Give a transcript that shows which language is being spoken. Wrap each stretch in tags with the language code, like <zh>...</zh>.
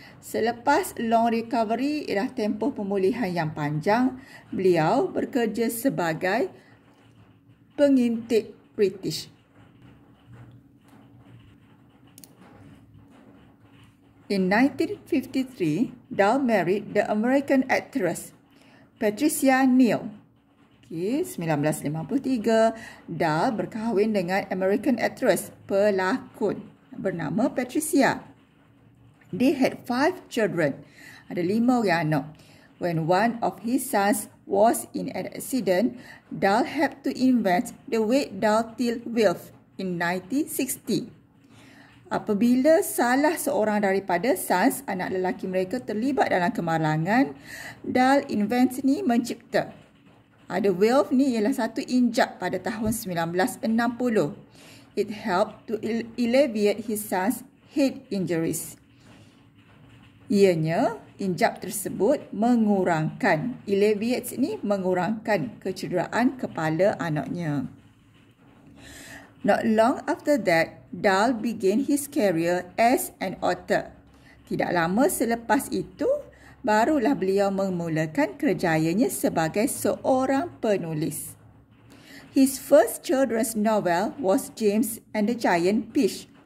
<ms>Selepas</ms> <en>long recovery,</en> <ms>ialah tempoh pemulihan yang panjang, beliau bekerja sebagai pengintip British.</ms> <en>In 1953, Dahl married the American actress Patricia Neal.</en> <ms>Okay, 1953, Dahl berkahwin dengan American actress, pelakon bernama Patricia.</ms> <en>They had 5 children.</en> <ms>Ada 5 orang anak.</ms> <en>When one of his sons was in an accident, Dahl helped to invent the weight Dahl-Till wheel in 1960.</en> <ms>Apabila salah seorang daripada sons, anak lelaki mereka, terlibat dalam kemalangan, Dahl invent ni mencipta. The wheel ni ialah satu injak pada tahun 1960.</ms> <en>It helped to alleviate his son's head injuries.</en> <ms>Ianya, injap tersebut mengurangkan, alleviates ni mengurangkan kecederaan kepala anaknya.</ms> <en>Not long after that, Dahl began his career as an author.</en> <ms>Tidak lama selepas itu, barulah beliau memulakan kerjayanya sebagai seorang penulis.</ms> <en>His first children's novel was James and the Giant Peach.</en>